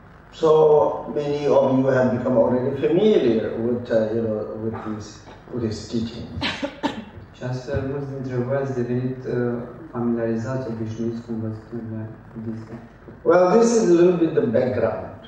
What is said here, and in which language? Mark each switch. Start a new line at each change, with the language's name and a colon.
English: So many of you have become already familiar with, you know, with these Buddhist teachings.
Romanian: Și astfel mulți dintre voi ați devenit familiarizați, obișnuiți cu învățăturile buddhiste.
English: Well, this is a little bit the background.